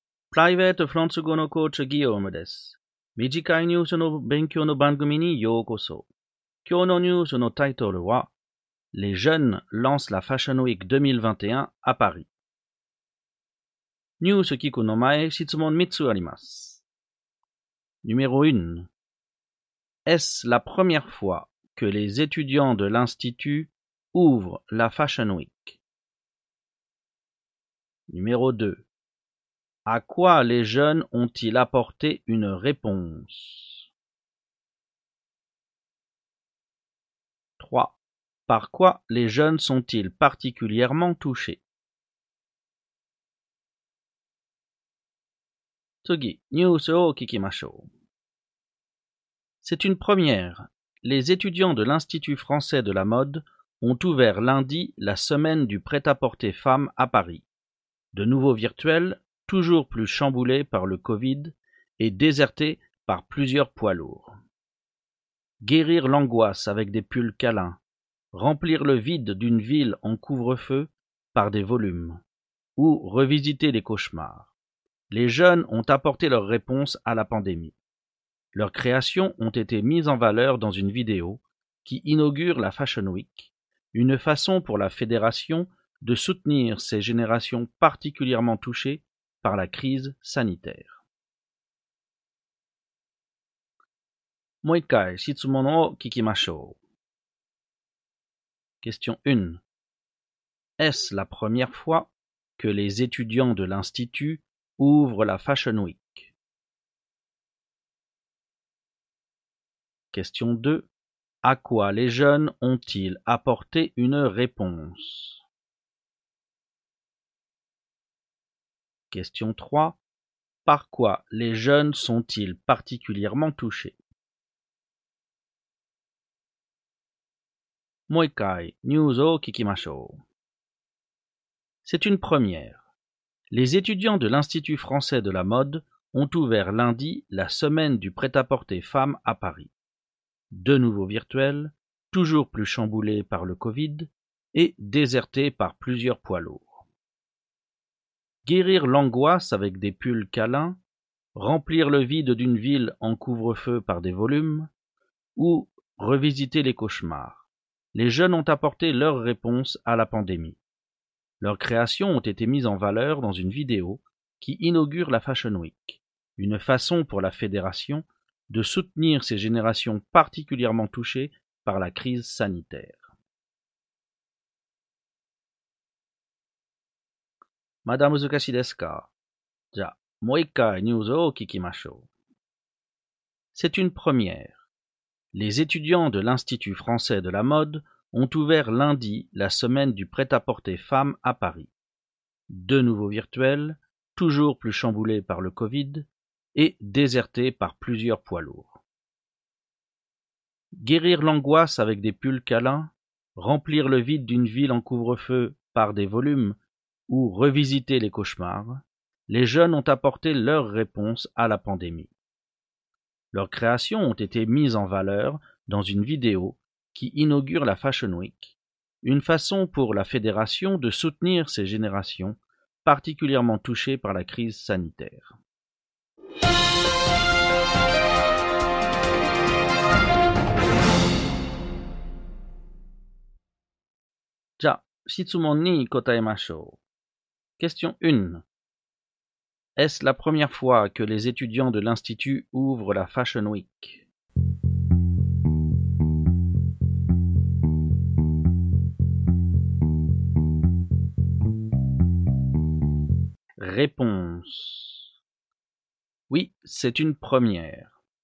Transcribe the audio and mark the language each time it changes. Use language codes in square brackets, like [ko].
[ja] Private France 語のコーチ Guillaume です。短いニュースの勉強の番組にようこそ。今日のニュースのタイトルは [fr] Les jeunes lancent la Fashion Week 2021 à Paris. [ja] ニュース聞くの前、質問3つあります。 [fr] Numéro 1. Est-ce la première fois que les étudiants de l'Institut ouvrent la Fashion Week? Numéro 2. À quoi les jeunes ont-ils apporté une réponse? 3. Par quoi les jeunes sont-ils particulièrement touchés? [ja] 次、ニュースを聞きましょう。 [fr] C'est une première. Les étudiants de l'Institut français de la mode ont ouvert lundi la semaine du prêt-à-porter femme à Paris. De nouveau virtuel, toujours plus chamboulé par le Covid et déserté par plusieurs poids lourds. Guérir l'angoisse avec des pulls câlins, remplir le vide d'une ville en couvre-feu par des volumes, ou revisiter des cauchemars. Les jeunes ont apporté leur réponse à la pandémie. Leurs créations ont été mises en valeur dans une vidéo qui inaugure la Fashion Week, une façon pour la fédération de soutenir ces générations particulièrement touchées par la crise sanitaire. [ja] もう一回質問を聞きましょう。 [fr] Question 1. Est-ce la première fois que les étudiants de l'Institut ouvrent la Fashion Week? Question 2. À quoi les jeunes ont-ils apporté une réponse? Question 3. Par quoi les jeunes sont-ils particulièrement touchés? [ja] もう一回ニュースを聞きましょう。 [fr] C'est une première. Les étudiants de l'Institut français de la mode ont ouvert lundi la semaine du prêt-à-porter femme à Paris. De nouveau virtuel, toujours plus chamboulé par le Covid et déserté par plusieurs poids lourds. Guérir l'angoisse avec des pulls câlins, remplir le vide d'une ville en couvre-feu par des volumes, ou revisiter les cauchemars. Les jeunes ont apporté leur réponse à la pandémie. Leurs créations ont été mises en valeur dans une vidéo qui inaugure la Fashion Week, une façon pour la fédération de soutenir ces générations particulièrement touchées par la crise sanitaire. [ja] まだ難しいですか? じゃあ、もう一回ニュースを聞きましょう。 [fr] C'est une première. Les étudiants de l'Institut français de la mode ont ouvert lundi la semaine du prêt-à-porter femme à Paris. De nouveau virtuel, toujours plus chamboulé par le Covid et déserté par plusieurs poids lourds. Guérir l'angoisse avec des pulls câlins, remplir le vide d'une ville en couvre-feu par des volumes,ou revisiter les cauchemars, les jeunes ont apporté leur réponse à la pandémie. Leurs créations ont été mises en valeur dans une vidéo qui inaugure la Fashion Week, une façon pour la fédération de soutenir ces générations particulièrement touchées par la crise sanitaire. [ja] じゃあ、質問に答えましょう。 [fr] Question 1. Est-ce la première fois que les étudiants de l'Institut ouvrent la Fashion Week? Réponse. Oui, c'est une première.